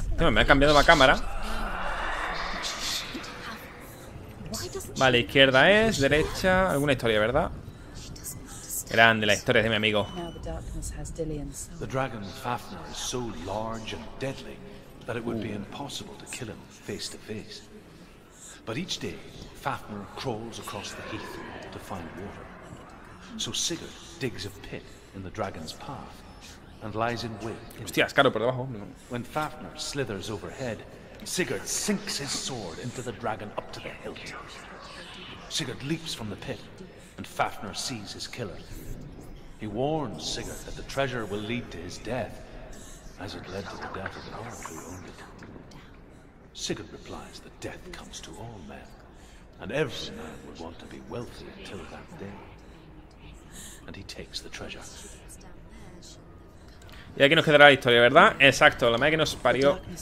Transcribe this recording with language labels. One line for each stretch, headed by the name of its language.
Spanish: Me ha cambiado la cámara. Vale, izquierda es, derecha. Alguna historia, ¿verdad? Grande la historia de mi amigo.
English: The dragon Fafnir is so large and deadly that it would be impossible to kill him face to face. But each day, Fafnir crawls across the heath to find water. So Sigurd digs a pit in the dragon's path. And lies in wait.
Spanish: Hostia, es caro por debajo.
English: When Fafnir slithers overhead, Sigurd sinks his sword into the dragon up to the hilt. Sigurd leaps from the pit, and Fafnir sees his killer. He warns Sigurd that the treasure will lead to his death, as it led to the death of Arn who owned it. Sigurd replies that death comes to all men, and every man would want to be wealthy until that day. And he takes the treasure.
Spanish: Y aquí nos quedará la historia, ¿verdad? Exacto, la madre que nos parió.